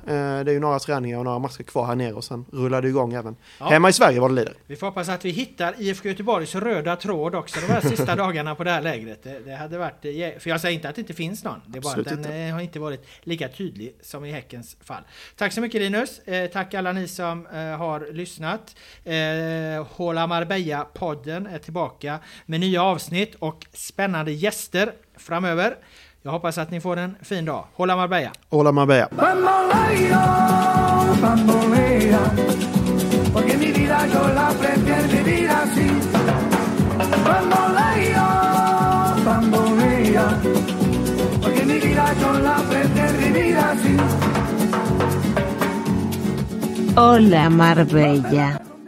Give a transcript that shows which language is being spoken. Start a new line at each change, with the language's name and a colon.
Swedish: Det är ju några träningar och några matcher kvar här nere, och sen rullar det igång även hemma i Sverige vad det lider. Vi får hoppas att vi hittar IFK Göteborgs röda tråd också de här sista dagarna på det här lägret. Det hade varit, för jag säger inte att det inte finns någon. Det är bara att den inte har inte varit lika tydlig som i Häckens fall. Tack så mycket, Linus. Tack alla ni som har lyssnat. Håla Marbella-podden är tillbaka med nya avsnitt och spännande gäster framöver. Jag hoppas att ni får en fin dag. Hola Marbella. Hola Marbella.
Spanish: Bambolea, bambolea, porque mi vida yo la prefiero vivir así. Bambolea, bambolea, porque mi vida yo la prefiero vivir así. Hola Marbella.